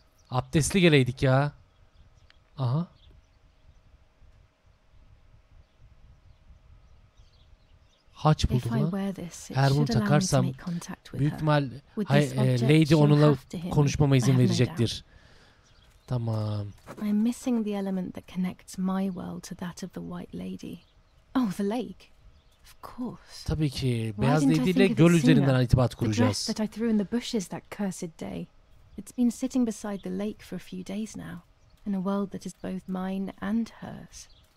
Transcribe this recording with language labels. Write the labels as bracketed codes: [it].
[tr] Abdestli geleydik ya. Aha. Haç buldum lan. Eğer bunu takarsam büyük ihtimal Lady onunla konuşmama izin verecektir. Tamam. [en] I'm missing the element that connects my world to that of the White Lady. Oh, the lake. Of course. [tr] Tabii ki Beyaz Lady ile göl üzerinden irtibat kuracağız. [en] That I threw in the bushes that cursed day. It's been sitting beside the lake for a few days now, in a world that is both mine and hers.